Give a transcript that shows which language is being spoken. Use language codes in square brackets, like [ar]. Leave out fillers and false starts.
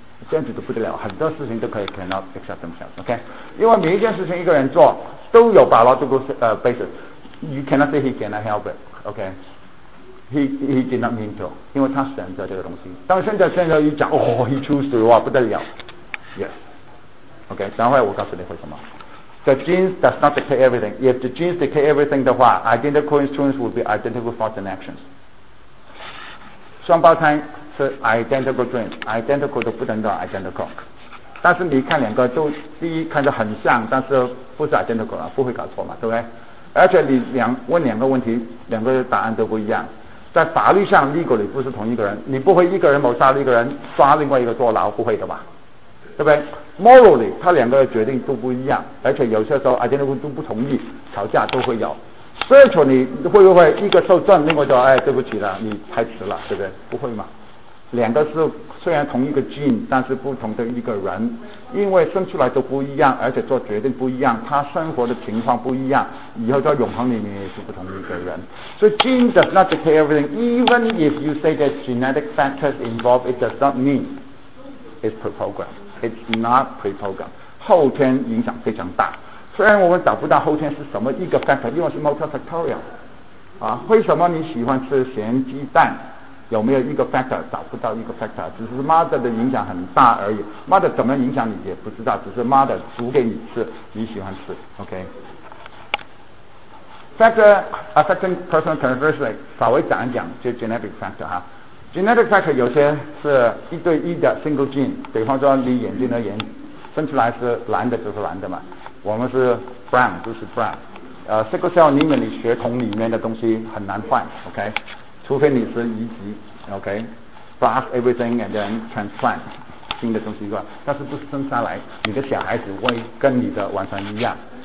[zh] 这样子都不得了，很多事情都可以 [en] cannot accept themselves， [zh] OK？因为每一件事情一个人做都有 [en] biological basis， you cannot say he cannot help it， OK？ He did not mean to， [zh] 因为他选择这个东西。但现在一讲，哦， [en] he choose to， [zh] 哇，不得了， yes， OK？等会我告诉你为什么。 [en] The genes does not dictate everything. If the genes dictate everything [zh] 的话， [en] identical instruments will be identical thoughts and actions。 [zh] 双胞胎是 identical twins， identical 都不能叫 identical， 但是你看两个都第一看着很像，但是不是 identical 了，不会搞错嘛，对不对？而且你问两个问题，两个答案都不一样，在法律上 legal 里不是同一个人，你不会一个人谋杀了一个人抓另外一个坐牢，不会的吧，对不对？ morally 他两个的决定都不一样，而且有些时候 identical 都不同意，吵架都会有。 spiritual 你会不会一个受证，另外就哎对不起了，你太迟了，对不对？不会嘛。两个是虽然同一个 gene， 但是不同的一个人，因为生出来都不一样，而且做决定不一样，他生活的情况不一样，以后在永恒里面也是不同一个人。 [en] 所以 gene does not dictate everything， even if you say that genetic factors involved， it does not mean it's pre-programmed， it's not pre-programmed， [zh] 后天影响非常大。虽然我们找不到后天是什么一个 factor， 因为是 multifactorial 啊，为什么你喜欢吃咸鸡蛋，有没有一个 factor？找不到一个 factor， 只是 mother 的影响很大而已， mother 怎么影响你也不知道，只是 mother 煮给你吃，你喜欢吃， OK。 [en] factor affecting personal characteristics [zh] 稍微讲一讲，就 [en] genetic factor 哈。 [zh] genetic factor 有些是一对一的 single gene， 比方说你眼睛的颜分出来是蓝的就是蓝的嘛，我们是 brown 就是 brown， sickle cell 里面你血统里面的东西很难换， OK， 除非你是移植， OK， [en] blast everything and then transplant [zh] 新的东西过来，但是不是生下来你的小孩子会跟你的完全一样。